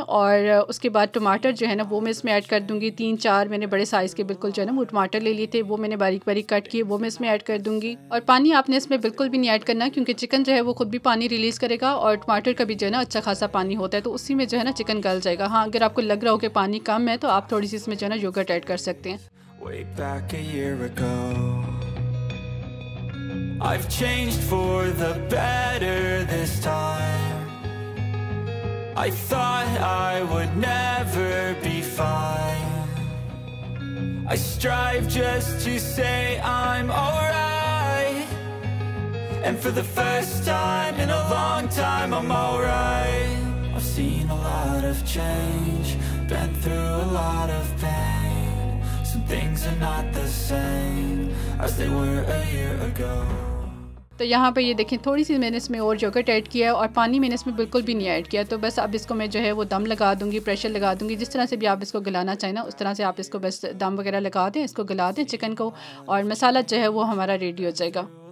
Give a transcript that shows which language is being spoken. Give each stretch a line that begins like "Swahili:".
Hindi: और उसके बाद टमाटर जो है ना, वो मैं इसमें ऐड कर दूंगी। 3-4 मैंने बड़े साइज़ के बिल्कुल जो है ना वो टमाटर ले लिए थे, वो मैंने बारीक बारीक कट किए, वो मैं इसमें ऐड कर दूंगी। और पानी आपने इसमें बिल्कुल भी नहीं ऐड करना, क्योंकि चिकन जो है वो खुद भी पानी रिलीज़ करेगा, और टमाटर का भी जो है ना अच्छा खासा पानी होता है, तो उसी में जो है ना चिकन गल जाएगा। हाँ, अगर आपको लग रहा हो कि पानी कम है, तो आप थोड़ी सी इसमें जो है ना योगर्ट ऐड कर सकते हैं।
English: Way back a year ago, I've changed for the better this time. I thought I would never be fine. I strive just to say I'm alright, and for the first time in a long time I'm alright. I've seen a lot of change, been through a lot of pain. Things are not the same as they were a year ago.
Hindi: तो यहाँ पर ये देखें, थोड़ी सी मैंने इसमें और yogurt add किया है, और पानी मैंने इसमें बिल्कुल भी नहीं ऐड किया। तो बस अब इसको मैं जो है वो दम लगा दूंगी, प्रेशर लगा दूंगी, जिस तरह से भी आप इसको गलाना चाहें ना, उस तरह से आप इसको बस दम वगैरह लगा दें, इसको गला दें चिकन को, और मसाला जो है वो हमारा रेडी हो जाएगा।